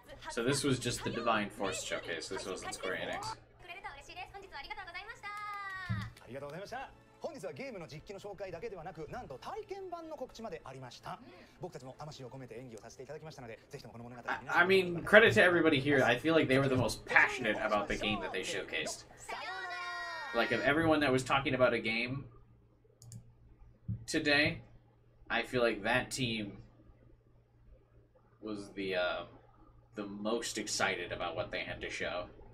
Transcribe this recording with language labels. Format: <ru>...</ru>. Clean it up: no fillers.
<en>So this was just the Divine Force showcase. This wasn't Square Enix.</en> <ja>ありがとうございました。本日はゲームの実機の紹介だけではなく、なんと体験版の告知までありました。僕たちも魂を込めて演技をさせていただきましたので、ぜひともこの物語を。</ja> <en>I mean, credit to everybody here. I feel like they were the most passionate about the game that they showcased. Like, of everyone that was talking about a game today, I feel like that team was the most excited about what they had to show.</en>